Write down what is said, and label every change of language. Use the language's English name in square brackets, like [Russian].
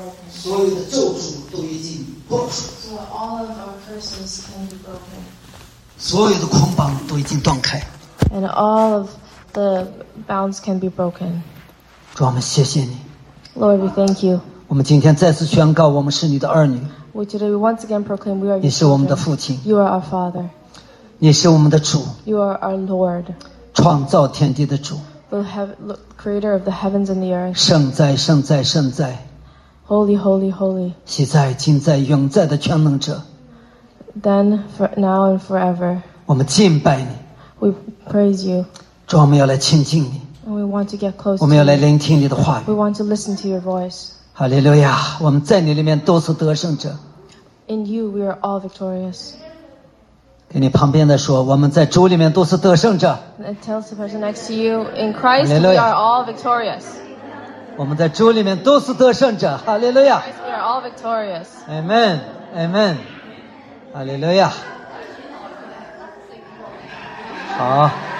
[Chinese] 所有的咒诅都已经破除。 [English] So all of our curses can be broken. [Chinese] 所有的捆绑都已经断开。 [English] And all of the bounds can be broken. [Chinese] 主，我们谢谢你。 [English] Lord, we thank you. [Chinese] 我们今天再次宣告，我们是你的儿女。 [English] We today once again proclaim we are your children. [Chinese] 你是我们的父亲。 [English] You are our father. [Chinese] 你是我们的主。 [English] You are our Lord. [Chinese] 创造天地的主。 [English] The creator of the heavens and the earth. [Chinese] 圣哉，圣哉，圣哉。 [English] Holy, holy, holy. [Chinese] 昔在，今在，永在的全能者。 [English] Then, for now and forever. [Chinese] 我们敬拜你。 [English] We praise you. [Chinese] 主，我们要来亲近你。 [English] And we want to get close to you. [Chinese] 我们要来聆听你的话语。 [English] We want to listen to your voice. [Chinese] 哈利路亚，我们在你里面都是得胜者。 [English] In you, we are all victorious. [Chinese] 跟你旁边的说，我们在主里面都是得胜者。 [English] And tell the person next to you, in Christ, we are all victorious. [Chinese] 我们在主里面都是得胜者，哈利路亚。 [English] In Christ, we are all victorious. Amen, amen. 哈利路亚。 [Chinese] 好。